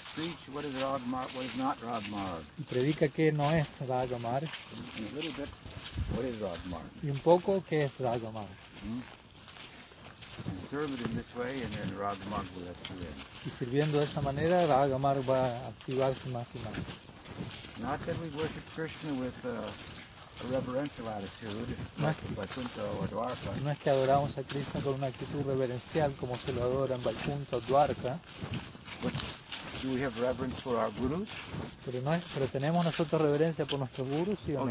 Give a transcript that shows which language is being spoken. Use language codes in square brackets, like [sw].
[en] Preach what is Raga Marg, what is not Raga Marg. [es] Y predica qué no es Raga Marg. [en] A little bit, what is Raga Marg. [es] Y un poco qué es Raga Marg. [en] And serve it in this way, and then Raga Marg will have to end. [es] Y sirviendo de esa manera, Raga Marg va a activarse más y más. [en] Not that we worship Krishna with a reverential attitude, like Vaikuntha or Dwarka. [es] No es que adoramos a Krishna con una actitud reverencial como se lo adoran Vaikuntha o Dwarka. [en] But do we have reverence for our gurus? [es] Pero no es, pero tenemos nosotros reverencia por nuestros gurus, ¿sí o no?